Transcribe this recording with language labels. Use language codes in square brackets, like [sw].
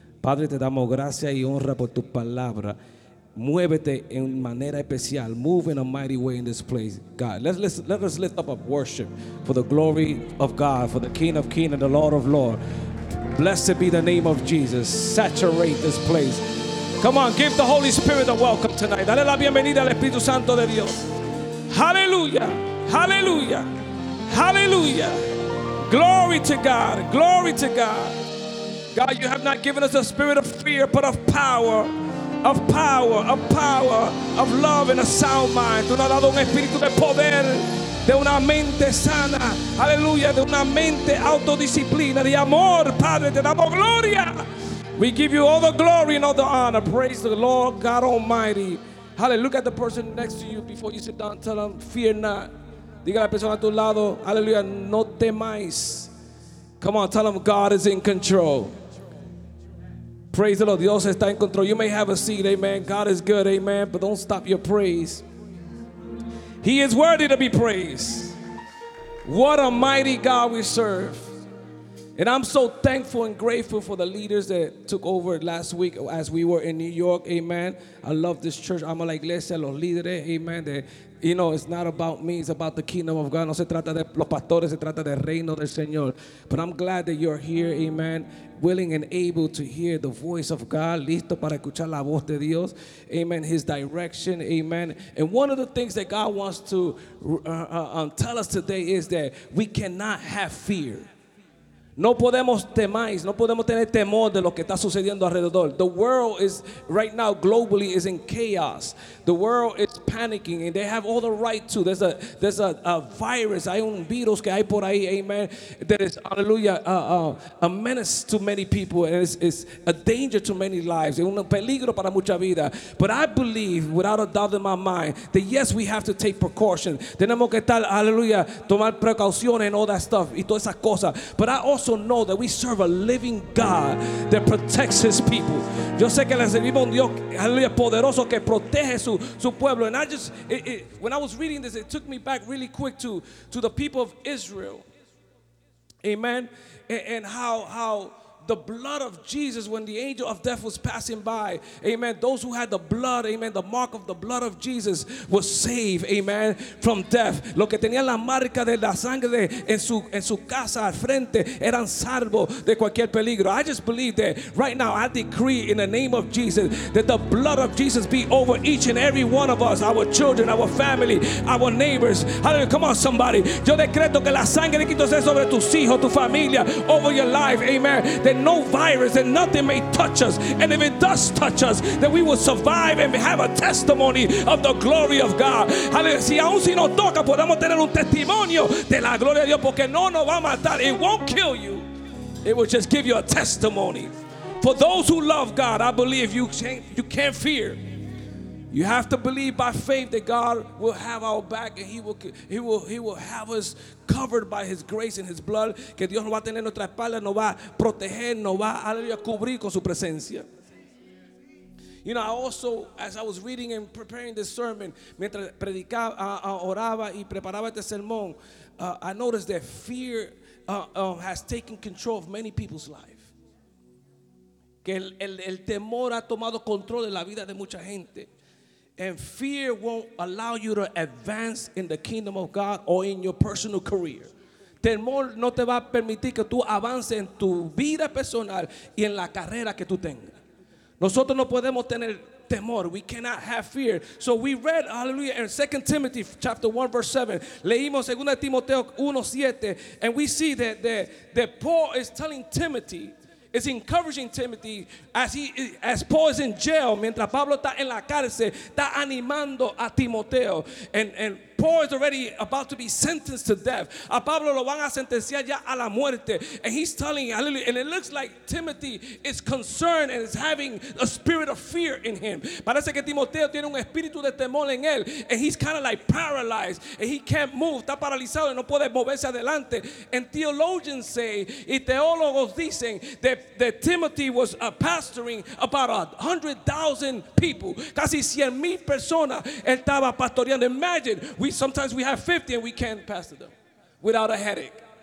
[es] Padre, te damos gracia y honra por tu palabra. Muévete en manera especial. [en] Move in a mighty way in this place, God. Let us lift up worship for the glory of God, for the King of Kings and the Lord of Lords. Blessed be the name of Jesus. Saturate this place. Come on, give the Holy Spirit a welcome tonight. [es] Dale la bienvenida al Espíritu Santo de Dios. Hallelujah. Hallelujah. [en] Hallelujah. Glory to God. Glory to God. God, you have not given us a spirit of fear, but of power. Of power, of power, of love and a sound mind. [es] Tú nos has dado un espíritu de poder, de una mente sana. Aleluya, de una mente autodisciplina, de amor, Padre, te damos gloria. [en] We give you all the glory and all the honor. Praise the Lord God Almighty. Hallelujah. Look at the person next to you before you sit down. Tell them, fear not. [es] Diga a la persona a tu lado, aleluya, no temáis. [en] Come on, tell them God is in control. Praise the Lord, [es] Dios está en control. [en] You may have a seat, amen. God is good, amen. But don't stop your praise. He is worthy to be praised. What a mighty God we serve. And I'm so thankful and grateful for the leaders that took over last week as we were in New York, amen. I love this church. [es] Amo la iglesia, los líderes, [en] amen. You know, it's not about me. It's about the kingdom of God. [es] No se trata de los pastores. Se trata del reino del Señor. But I'm glad that you're here, amen, willing and able to hear the voice of God, listo para escuchar la voz de Dios, amen, his direction, amen. [en] And one of the things that God wants to tell us today is that we cannot have fear. [es] No podemos temáis, no podemos tener temor de lo que está sucediendo alrededor. [en] The world is, right now, globally, is in chaos. The world is panicking, and they have all the right to. There's a virus, [es] hay un virus que hay por ahí, [en] amen, that is, hallelujah, a menace to many people, and it's a danger to many lives. [es] Es un peligro para mucha vida. [en] But I believe, without a doubt in my mind, that yes, we have to take precaution. [es] Tenemos que estar, hallelujah, tomar precauciones [en] and all that stuff, [es] y todas esas cosas. [en] But I also know that we serve a living God that protects his people. [es] Yo sé que le servimos a un Dios, hallelujah, poderoso que protege su pueblo. [en] And I just, when I was reading this, it took me back really quick to the people of Israel. Amen. And how the blood of Jesus, when the angel of death was passing by, amen, those who had the blood, amen, the mark of the blood of Jesus was saved, amen, from death. [es] Lo que tenían la marca de la sangre en su casa al frente eran salvo de cualquier peligro. [en] I just believe that right now I decree in the name of Jesus that the blood of Jesus be over each and every one of us, our children, our family, our neighbors. Hallelujah. Come on, somebody. [es] Yo decreto que la sangre de Cristo sea sobre tus hijos, tu familia, [en] over your life, [es] amen. [en] That no virus and nothing may touch us. And if it does touch us, that we will survive and have a testimony of the glory of God. [es] Hallelujah. Si aun si no toca, podemos tener un testimonio de la gloria de Dios, porque no nos va a matar. [en] It won't kill you. It will just give you a testimony. For those who love God, I believe you can't fear. You have to believe by faith that God will have our back, and He will have us covered by His grace and His blood. [es] Que Dios no va a tener nuestra espalda, no va a proteger, no va a cubrir con su presencia. [en] You know, I also, as I was reading and preparing this sermon, [es] mientras predicaba, oraba y preparaba este sermón, [en] I noticed that fear has taken control of many people's lives. [es] Que el temor ha tomado control de la vida de mucha gente. [en] And fear won't allow you to advance in the kingdom of God or in your personal career. [es] temor no te va a permitir que tú avances en tu vida personal y en la carrera que tú tengas. Nosotros no podemos tener temor. [en] We cannot have fear. So we read, hallelujah, in 2 Timothy chapter 1 verse 7. [es] Leímos 2 Timoteo 1, 7. [en] And we see that Paul is telling Timothy, is encouraging Timothy as Paul is in jail, [es] mientras Pablo está en la cárcel, está animando a Timoteo. [en] And Paul is already about to be sentenced to death. [es] A Pablo lo van a sentenciar ya a la muerte. [en] And he's telling, hallelujah, and it looks like Timothy is concerned and is having a spirit of fear in him. [es] Parece que Timoteo tiene un espíritu de temor en él. [en] And he's kind of like paralyzed. And he can't move. [es] Está paralizado y no puede moverse adelante. [en] And theologians say, [es] y teólogos dicen, [en] that Timothy was pastoring about 100,000 people. [es] Casi 100,000 personas él estaba pastoreando. [en] Imagine. Sometimes we have 50 and we can't pastor them without a headache.